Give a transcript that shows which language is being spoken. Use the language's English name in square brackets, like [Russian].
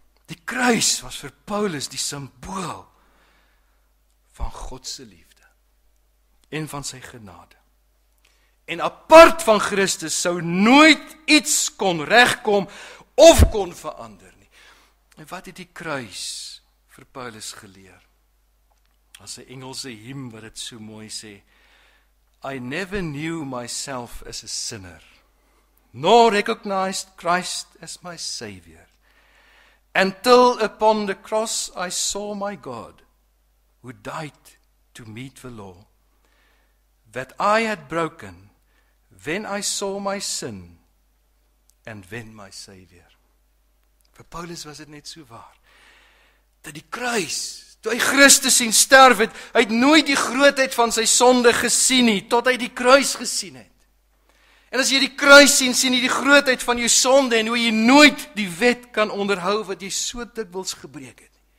[Afrikaans] Die kruis was vir Paulus die simbool van God se liefde en van sy genade. En apart van Christus sou nooit iets kon regkom of kon verander nie. En wat het die kruis vir Paulus geleer? As 'n Engelse hymn wat het so mooi sê, [English] I never knew myself as a sinner, nor recognized Christ as my Savior, until upon the cross I saw my God, who died to meet the law that I had broken when I saw my sin and when my Savior. [Afrikaans] Vir Paulus was dit net so waar, dat die kruis, toe hy Christus sien sterf het, hy het nooit die grootheid van sy sonde gesien nie, tot hy die kruis gesien het. En as jy die kruis sien, sien jy die grootheid van jou sonde en hoe jy nooit die wet kan onderhou wat jy so dikwels gebreek het.